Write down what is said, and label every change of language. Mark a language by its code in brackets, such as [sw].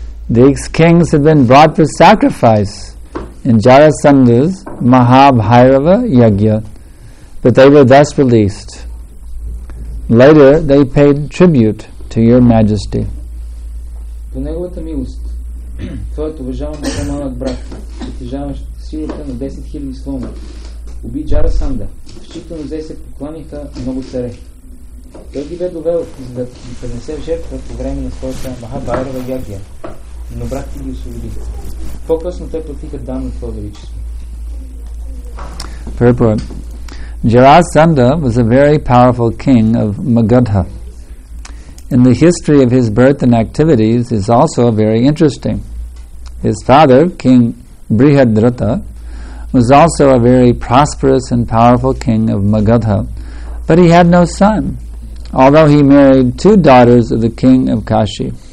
[en] These kings have been brought for sacrifice in Jarasandha's Mahabhairava Yajna, but they were thus released. Later, they paid tribute to your majesty. [bg] По неговата милост, твоят уважаван по-малък брат, притежаващ силата на 10 000 слона, уби Джарасанда, считано взе се покланиха много царе. Той ги бе довел, за да ги принесе в жертва по време на своята Махабайрова Ягия, но брат ти ги освободи. По-късно те платиха дан на твое величество. [en] Purport. Jarasandha was a very powerful king of Magadha. And the history of his birth and activities is also very interesting. His father, King Brihadratha, was also a very prosperous and powerful king of Magadha, but he had no son, although he married two daughters of the king of Kashi.